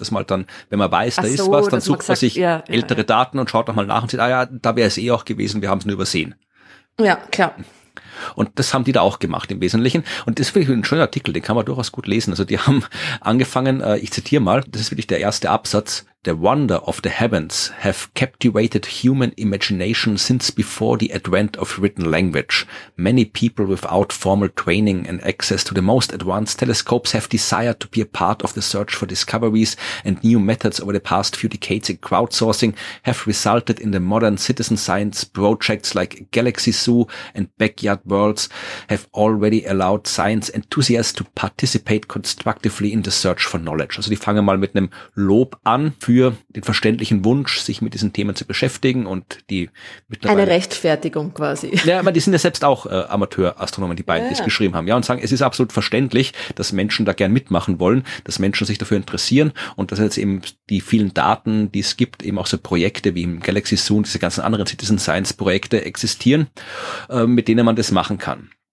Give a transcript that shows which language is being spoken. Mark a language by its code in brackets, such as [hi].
[de] Dass man halt dann, wenn man weiß, da so, ist was, dann sucht man sich ältere Daten und schaut nochmal nach und sieht, ah ja, da wäre es eh auch gewesen, wir haben es nur übersehen. Ja, klar. Und das haben die da auch gemacht im Wesentlichen. Und das finde ich ein schöner Artikel, den kann man durchaus gut lesen. Also die haben angefangen, ich zitiere mal, das ist wirklich der erste Absatz. [en] The wonder of the heavens have captivated human imagination since before the advent of written language. Many people without formal training and access to the most advanced telescopes have desired to be a part of the search for discoveries, and new methods over the past few decades in crowdsourcing have resulted in the modern citizen science projects like Galaxy Zoo and Backyard Worlds have already allowed science enthusiasts to participate constructively in the search for knowledge. [de] Also die fangen mal mit einem Lob an für den verständlichen Wunsch, sich mit diesen Themen zu beschäftigen und die mittlerweile eine Rechtfertigung quasi. Ja, aber die sind ja selbst auch Amateurastronomen, die beiden, die es geschrieben haben. Ja, und sagen, es ist absolut verständlich, dass Menschen da gern mitmachen wollen, dass Menschen sich dafür interessieren und dass jetzt eben die vielen Daten, die es gibt, eben auch so Projekte wie im Galaxy Zoo und diese ganzen anderen Citizen Science Projekte existieren, mit denen man das machen kann.